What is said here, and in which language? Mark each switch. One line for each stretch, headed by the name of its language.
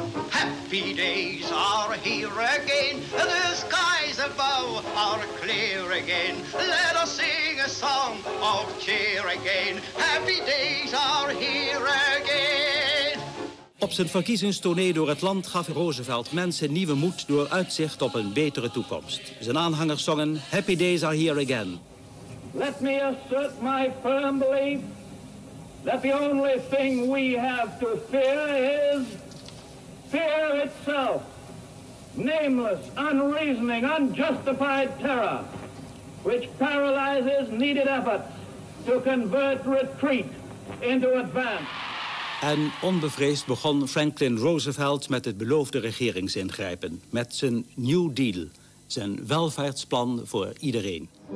English: Happy days are here again. The skies above are clear again. Let us see. A song of cheer again. Happy days are here again.
Dutch: Op zijn verkiezingstournee door het land gaf Roosevelt mensen nieuwe moed door uitzicht op een betere toekomst. Zijn aanhangers zongen Happy days are here again.
English: Let me assert my firm belief that the only thing we have to fear is fear itself. Nameless, unreasoning, unjustified terror. Which paralyzes needed efforts to convert retreat into advance.
Dutch: En onbevreesd begon Franklin Roosevelt met het beloofde regeringsingrijpen. Met zijn New Deal, zijn welvaartsplan voor iedereen.